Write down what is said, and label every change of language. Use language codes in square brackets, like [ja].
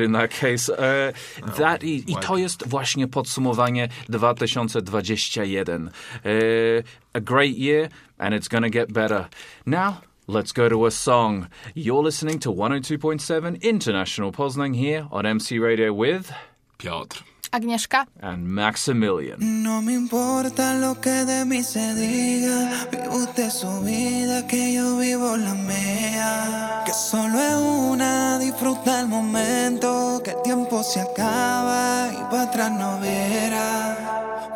[en] In that case, [pl] i to jest właśnie podsumowanie 2021. [en] A great year, and it's going to get better. Now, let's go to a song. You're listening to 102.7 International Poznań here on MC Radio with Piotr. Agnieszka. And Maximilian. [es] No me importa lo que de mí se diga. Vive usted su vida, que yo vivo la mía. Que solo es una, disfruta el momento. Que el tiempo se acaba y pa' atrás no viera.